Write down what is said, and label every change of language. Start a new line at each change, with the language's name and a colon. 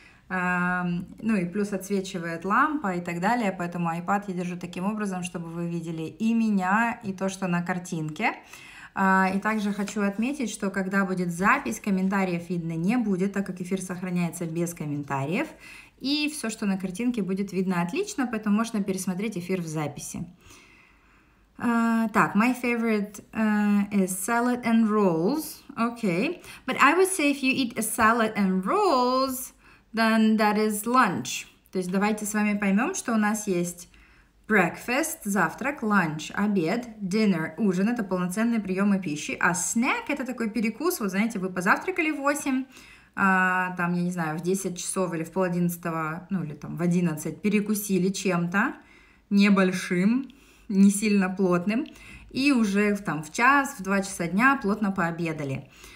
Russian: Ну и плюс отсвечивает лампа и так далее, поэтому iPad я держу таким образом, чтобы вы видели и меня, и то, что на картинке. И также хочу отметить, что когда будет запись, комментариев видно не будет, так как эфир сохраняется без комментариев, и все, что на картинке, будет видно отлично, поэтому можно пересмотреть эфир в записи.
English: Так, my favorite is salad and rolls, okay, but I would say if you eat a salad and rolls, then that is lunch.
Russian: То есть давайте с вами поймем, что у нас есть breakfast, завтрак, lunch, обед, dinner, ужин, это полноценные приемы пищи, а snack это такой перекус, вот знаете, вы позавтракали в 8, там, я не знаю, в 10 часов или в 10:30, ну или там в 11 перекусили чем-то небольшим, не сильно плотным, и уже там в час, в 2 часа дня плотно пообедали.